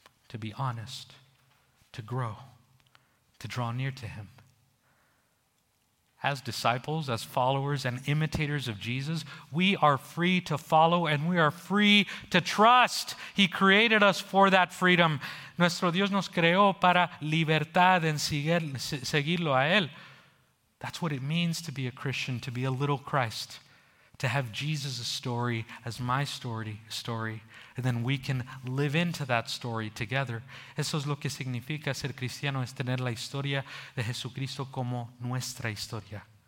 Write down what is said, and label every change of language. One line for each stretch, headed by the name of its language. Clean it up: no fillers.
English: To be honest, to grow, to draw near to him. As disciples, as followers and imitators of Jesus, we are free to follow and we are free to trust. He created us for that freedom.
Spanish: Nuestro Dios nos creó para libertad en seguirlo a él.
English: That's what it means to be a Christian, to be a little Christ, to have Jesus' story as my story, and then we can live into that story together.
Spanish: Eso es lo que significa ser cristiano, es tener la historia de Jesucristo como nuestra historia.